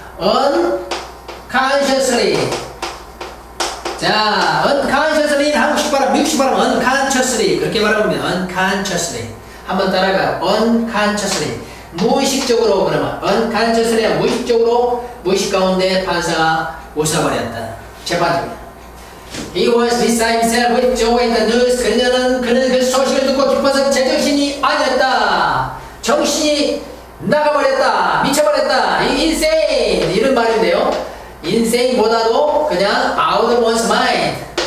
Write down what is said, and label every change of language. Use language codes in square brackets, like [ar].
[en] Unconsciously. 자, unconsciously. [ko] 한국식 발음, 미국식 발음. Unconsciously. 그렇게 말하면 unconsciously. 한번 따라가요. Unconsciously. 무의식적으로 그러면 unconsciously 무의식적으로 무의식 가운데 판사가 웃어버렸다. 재판입니다. [en] He was beside himself with joy at the news. [ko] 그는 그 소식을 듣고 기뻐서 제정신이 아니었다. 정신이 나가버렸다. 미쳐버렸다. Insane 이런 말인데요. [en] Insane [ko] 보다도 그냥 [en] out of one's mind.